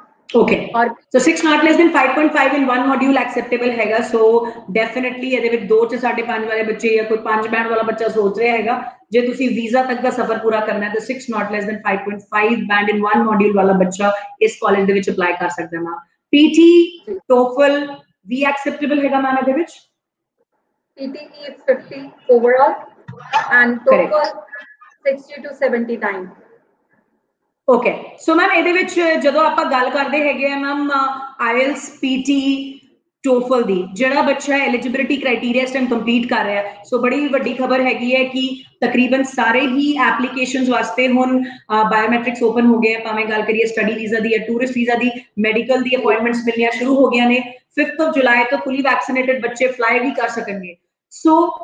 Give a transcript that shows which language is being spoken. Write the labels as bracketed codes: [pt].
[pa] Okay ਔਰ ਸੋ 6 ਨਾਟ less than 5.5 ਇਨ 1 module acceptable ਹੈਗਾ ਸੋ definitely ਇਹਦੇ ਵਿੱਚ 2 to 5 ਵਾਲੇ ਬੱਚੇ ਜਾਂ ਕੋਈ 5 ਬੈਂਡ ਵਾਲਾ ਬੱਚਾ ਸੋਚ ਰਿਹਾ ਹੈਗਾ ਜੇ ਤੁਸੀਂ ਵੀਜ਼ਾ ਤੱਕ ਦਾ ਸਫ਼ਰ ਪੂਰਾ ਕਰਨਾ ਹੈ ਤਾਂ 6 ਨਾਟ ਲੈਸ ਦੈਨ 5.5 ਬੈਂਡ ਇਨ 1 ਮੋਡਿਊਲ ਵਾਲਾ ਬੱਚਾ ਇਸ ਕਾਲਜ ਦੇ ਵਿੱਚ ਅਪਲਾਈ ਕਰ ਸਕਦਾ ਮੈਮ ਪੀਟੀ ਟੋਫਲ ਵੀ ਐਕਸੈਪਟੇਬਲ ਹੈਗਾ ਮੈਮ ਇਹਦੇ ਵਿੱਚ [en] PTE 50 overall and TOEFL 60 to 79. Okay. So, ma'am, [pa] ਇਹਦੇ ਵਿੱਚ ਜਦੋਂ ਆਪਾਂ ਗੱਲ ਕਰਦੇ ਹੈਗੇ ਆ ਮੈਮ IELTS PTE TOEFL ਦੀ ਜਿਹੜਾ ਬੱਚਾ ਐਲੀਜੀਬਿਲਟੀ ਕ੍ਰਾਈਟੀਰੀਆ ਇਸ ਟਾਈਮ ਕੰਪਲੀਟ ਕਰ ਰਿਹਾ ਸੋ ਬੜੀ ਵੱਡੀ ਖਬਰ ਹੈਗੀ ਹੈ ਕਿ ਤਕਰੀਬਨ ਸਾਰੇ ਹੀ ਐਪਲੀਕੇਸ਼ਨਸ ਵਾਸਤੇ ਹੁਣ ਬਾਇਓਮੈਟ੍ਰਿਕਸ ਓਪਨ ਹੋ ਗਏ ਆ ਭਾਵੇਂ ਗੱਲ ਕਰੀਏ ਸਟੱਡੀ ਵੀਜ਼ਾ ਦੀ ਜਾਂ ਟੂਰਿਸਟ ਵੀਜ਼ਾ ਦੀ ਮੈਡੀਕਲ ਦੀ ਅਪੁਆਇੰਟਮੈਂਟਸ ਮਿਲਣੀਆਂ ਸ਼ੁਰੂ ਹੋ ਗਈਆਂ ਨੇ 5th July ਤੋਂ ਫੁੱਲੀ ਵੈਕਸੀਨੇਟਡ ਬੱਚੇ ਫਲਾਈ ਵੀ ਕਰ ਸਕਣਗੇ ਸੋ